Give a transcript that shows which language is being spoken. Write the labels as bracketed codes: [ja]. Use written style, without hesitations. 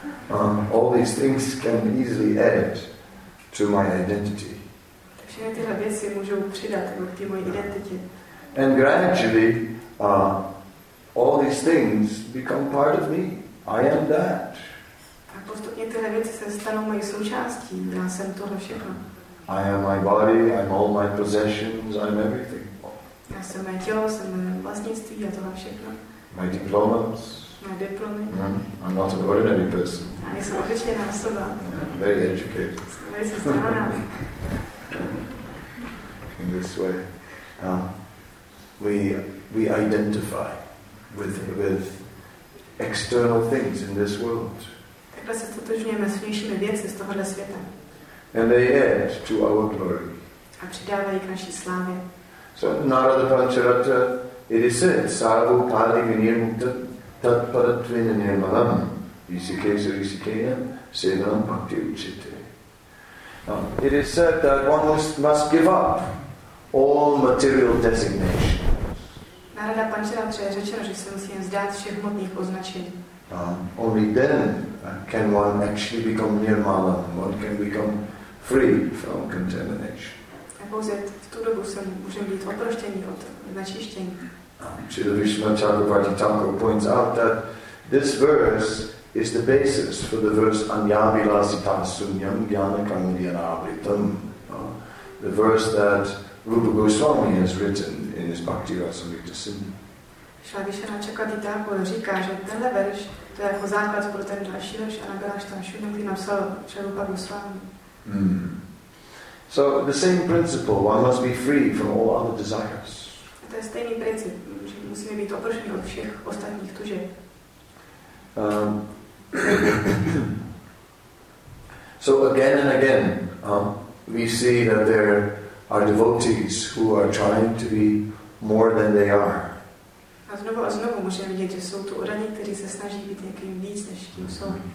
[en] All these things can easily add to my identity. [cs] Všechny tyhle věci můžou přidat k té moje identitě. [en] And gradually, all these things become part of me. I am that. [cs] Tak postupně tyhle věci se stanou mojí součástí. Já jsem tohle všechno. [en] I am my body, I'm all my possessions, I'm everything. [cs] Já jsem mé tělo, jsem mé vlastnictví, já tohle všechno. [en] My diplomas. [cs] Mé diplomy. Mm-hmm. [en] I'm not an ordinary person. [cs] Já nejsem obyčejná osoba. [en] I'm very educated. [cs] Jsem velice vzdělaná. [en] In this way, we identify with external things in this world. [cs] Takhle se totožňujeme s vnějšími věci z tohohle světa. [en] And they add to our glory. [cs] A přidávají k naší slávě. [en] So Narada Pancharatra, it is said, [sa] sarva upadhi vinirmuktam tat paratvena nirmalam isikesa isikena sevanam bhakti ucchate. [en] It is said that one must give up all material designations. [cs] Narada Pancharatra je řečeno, že se musí vzdát všech hmotných označení. [en] Only then can one actually become nirmala. One can become free from contamination. [cs] A pouze v tu dobu se můžeme být oproštění od znečištění. [en] Srila Vishnu Chakravarti Thakur points out that this verse is the basis for the verse [sa] Anyabhilasita Sunyam Jnana Kandiyana Abritam. [en] The verse that Rupa Goswami has written in his Bhakti Rasamrita Sindhu. [cs] Srila Vishnu Chakravarti Thakur říká, že tenhle verš to je jako základ pro ten další verš Anyabhilasita Sunyam, který napsal Rupa Goswami. [en] So the same principle, one must be free from all other desires. [cs] To je stejný princip, že musíme být oproštěni od všech ostatních tužeb. [en] So again and again, we see that there are devotees who are trying to be more than they are. [cs] A znovu můžeme vidět, že jsou tu odaní, kteří se snaží být někým víc než tím jsou.